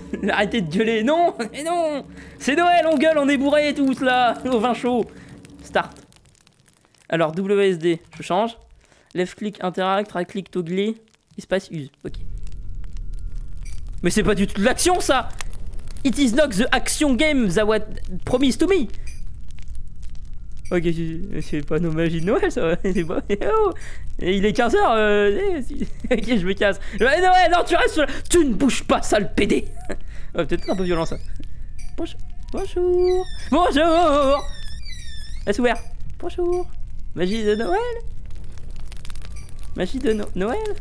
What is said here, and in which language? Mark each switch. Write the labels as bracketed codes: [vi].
[fr] Arrêtez de gueuler. Non, mais non. C'est Noël, on gueule, on est bourré et tous là. Au vin chaud. Start. Alors WSD, je change. [en] Left click interact, right click toggle, espace use. Ok. [fr] Mais c'est pas du tout de l'action ça! [en] It is not the action game that was promised to me! [fr] Ok, c'est pas nos magies de Noël ça! C'est pas... Et il est 15h! Ok, je me casse! Mais Noël, non, tu restes sur la... Tu ne bouges pas, sale PD! Ouais, peut-être un peu violent ça! Bonjour! Bonjour! Est-ce ouvert? Bonjour! Magie de Noël? Magie de Noël?